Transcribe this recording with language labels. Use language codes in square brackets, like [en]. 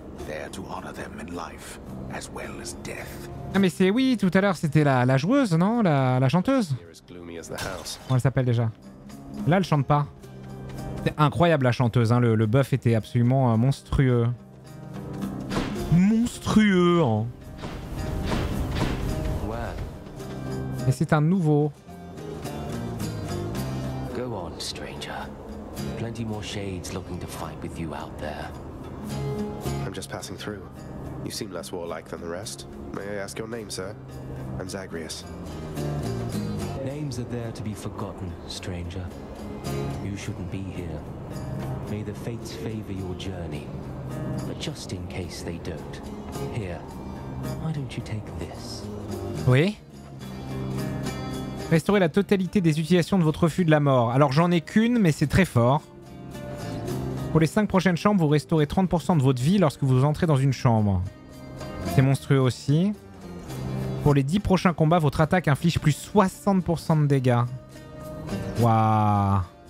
[en] There to honor them in life as well as death. [fr] Ah mais c'est oui, tout à l'heure c'était la joueuse, non? La chanteuse. Comment elle s'appelle déjà? Là elle chante pas. C'est incroyable la chanteuse, hein, le buff était absolument monstrueux. Monstrueux, hein. [en] Well. [fr] Et c'est un nouveau. [en] Go on, stranger. Plenty more shades looking to fight with you out there. Just passing through. You seem less warlike than the rest. May I ask your name, sir? I'm Zagreus. Names are there to be forgotten, stranger. You shouldn't be here. May the fates favor your journey. But just in case they don't, here, why don't you take this? [fr] Oui. Restaurer la totalité des utilisations de votre fût de la mort. Alors j'en ai qu'une, mais c'est très fort. Pour les 5 prochaines chambres, vous restaurez 30% de votre vie lorsque vous entrez dans une chambre. C'est monstrueux aussi. Pour les 10 prochains combats, votre attaque inflige plus 60% de dégâts. Waouh.